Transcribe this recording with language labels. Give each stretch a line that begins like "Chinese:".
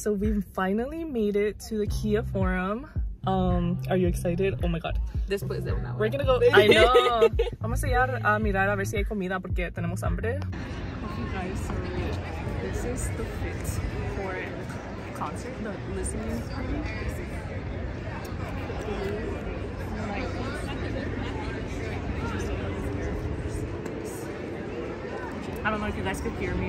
English: So, we finally made it to the Kia Forum. Are you excited? Oh my god.
Spanish: Después de una hora.
English: We're gonna go. I know.
Spanish: Vamos a ir a mirar a ver si hay comida porque tenemos hambre.
English: Okay, guys, so this is the fit for concert, the listening party. I don't know if you guys could hear me.